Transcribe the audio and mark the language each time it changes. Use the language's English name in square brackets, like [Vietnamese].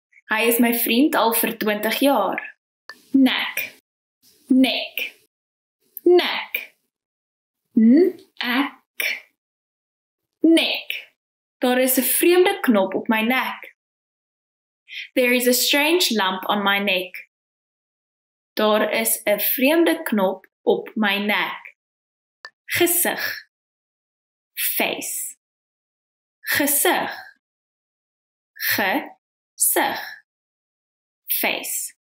[Afrikaans] Hy is my vriend al vir 20 jaar. [English] Neck. Neck. Neck. N-ek. Neck. [Afrikaans] Daar is 'n vreemde knop op my nek. [English] There is a strange lump on my neck. [Afrikaans] Daar is 'n vreemde knop op my nek. Gesig. [English] Face. [Afrikaans] Gesig. Gesig. [English] Face.